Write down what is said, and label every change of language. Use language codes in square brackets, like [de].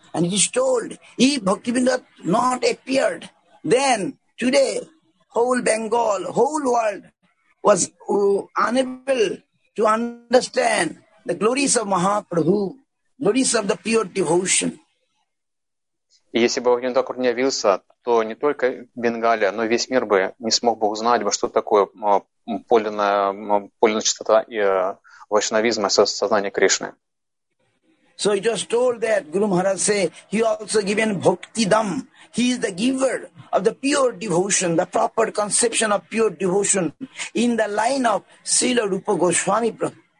[en] And it is told, if Bhaktivinoda not appeared, then today whole Bengal, whole world was unable to understand the glories of Mahaprabhu, glories of the pure devotion. [ru] Если бы Бхактивинода Такур не явился, то не только Бенгалия, но и весь мир бы не смог бы узнать, что такое полная чистота и вайшнавизма, сознание Кришны. [en] So it was told that Guru Maharaj said, he also given Bhaktidam. He is the giver of the pure devotion, the proper conception of pure devotion in the line of Srila Rupa Goswami Prabhu.